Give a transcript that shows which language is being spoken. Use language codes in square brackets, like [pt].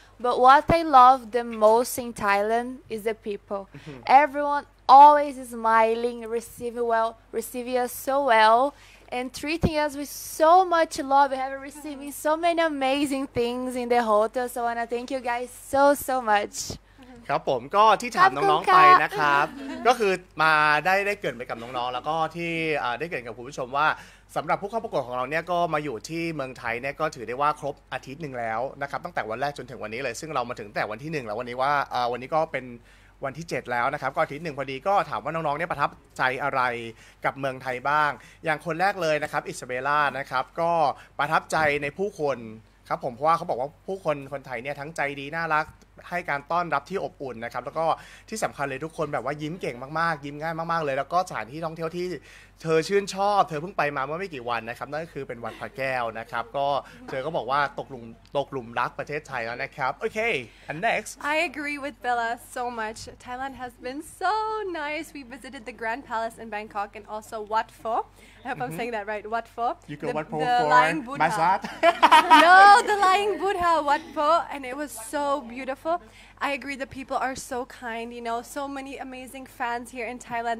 [en] But what I love the most in Thailand is the people. Everyone always is smiling, receiving us so well, and treating us with so much love. We have received so many amazing things in the hotel. So I want to thank you guys so, so much. [th] ครับผมก็ที่ถามน้องๆไปนะครับก็คือมาได้เกิดไปกับน้องๆแล้วก็ที่ได้เกิดกับคุณผู้ชมว่าสำหรับผู้เข้าประกวดของเราเนี่ยก็มาอยู่ที่เมืองไทยเนี่ยก็ถือได้ว่าครบอาทิตย์นึงแล้วนะครับตั้งแต่วันแรกจนถึงวันนี้เลยซึ่งเรามาถึงแต่วันที่1แล้ววันนี้ว่าวันนี้ก็เป็นวันที่7แล้วนะครับก็อาทิตย์นึงพอดีก็ถามว่าน้องๆเนี่ยประทับใจอะไร กับเมืองไทยบ้างอย่างคนแรกเลยนะครับอิซาเบล่านะครับก็ประทับใจในผู้คนครับผมเพราะว่าเขาบอกว่าผู้คนไทยเนี่ยทั้งใจดีน่ารักให้การต้อนรับที่อบอุ่นนะครับแล้วก็ที่สำคัญเลยทุกคนแบบว่ายิ้มเก่งมากๆยิ้มง่ายมากๆเลยแล้วก็สถานที่ท่องเที่ยวที่เธอชื่นชอบเธอเพิ่งไปมาเมื่อไม่กี่วันนะครับนั่นก็คือเป็นวัดพระแก้วนะครับก็เธอก็บอกว่าตกหลุมรักประเทศไทยแล้วนะครับโอเค [en] and next I agree with Bella so much Thailand has been so nice we visited the Grand Palace in Bangkok and also Wat Pho I hope I'm saying that right Wat Pho you go Wat Pho the Lying Buddha no the Lying Buddha Wat Pho and it was so beautifulI agree the people are so kind, you know, so many amazing fans here in Thailand.